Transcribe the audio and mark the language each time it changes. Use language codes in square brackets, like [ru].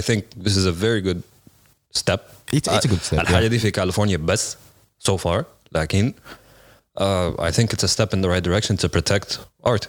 [en] I think this is a very good step. It's a good step. [ar] الحاجة دي في كاليفورنيا بس [en] so far. لكن I think it's a step in the right direction to protect art.